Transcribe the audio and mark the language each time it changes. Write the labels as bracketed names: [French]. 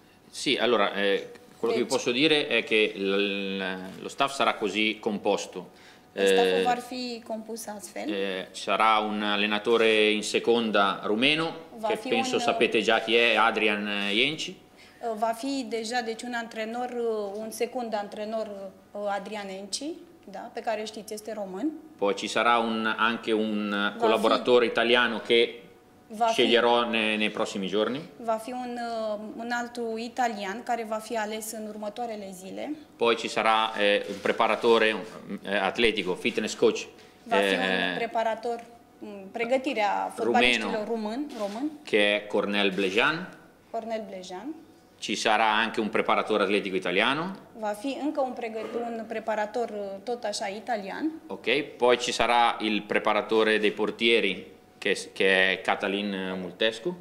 [Italian] Sì, allora quello che vi posso dire è che lo staff sarà così composto. [Romanian] Lo staff va fi compus astfel. [Italian] Sarà un allenatore in seconda rumeno, che penso sapete già chi è, Adrian Jenci. [Romanian] Va fi deja, deci un antrenor, un secund antrenor, Adrian Jenci, da, pe care știți, este român. [Italian] Poi ci sarà anche un collaboratore italiano che sceglierò nei prossimi giorni. [Romanian] Va fi un altro italian care va fi ales în următoarele zile. [Italian] Poi ci sarà un preparatore atletico, fitness coach. [Romanian] Va fi un preparator, pregătirea fotbaliștilor român. [Italian] Che è Cornel Blejan. [Romanian] Cornel Blejan. [Italian] Ci sarà anche un preparatore atletico italiano. [Romanian] Va fi încă un preparator tot așa italian. [Italian] Ok, poi ci sarà il preparatore dei portieri, che è Catalin Multescu.